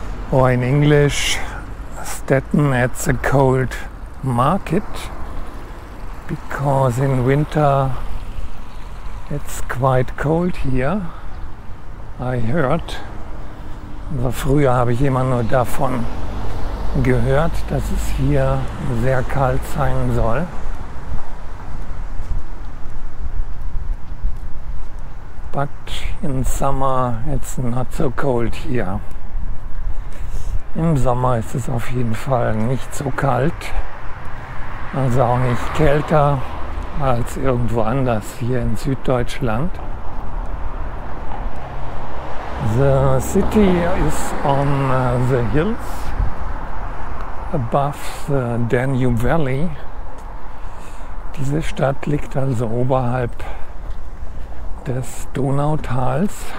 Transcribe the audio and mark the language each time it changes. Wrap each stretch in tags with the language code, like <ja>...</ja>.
<en>Or in English, Stetten at the Cold Market. Because in winter it's quite cold here, I heard.</en> <de>Aber früher habe ich immer nur davon gehört, dass es hier sehr kalt sein soll.</de> <en>But in summer it's not so cold here.</en> <de>Im Sommer ist es auf jeden Fall nicht so kalt. Also auch nicht kälter als irgendwo anders hier in Süddeutschland.</de> <en>The city is on the hills above the Danube Valley.</en> <de>Diese Stadt liegt also oberhalb des Donautals.</de>